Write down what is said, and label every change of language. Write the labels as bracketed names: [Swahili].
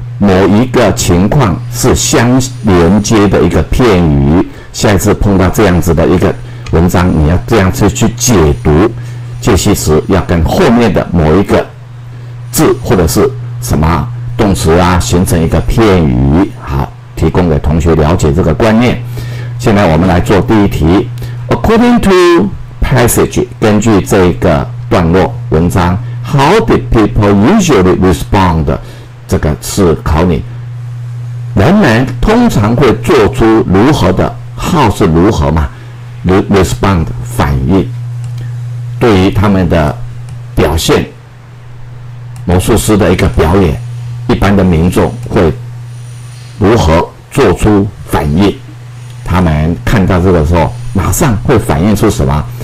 [Chinese] 某一个情况是相连接的一个片语，下一次碰到这样子的一个文章，你要这样子去解读，解析时要跟后面的某一个字或者是什么动词啊形成一个片语。好，提供给同学了解这个观念。现在我们来做第一题。 [English] According to passage， [Chinese] 根据这个段落文章， [English] How did people usually respond？ [Chinese] 这个是考你，人们通常会做出如何的，how是如何嘛， respond 反应，对于他们的表现，魔术师的一个表演，一般的民众会如何做出反应，他们看到这个时候马上会反应出什么。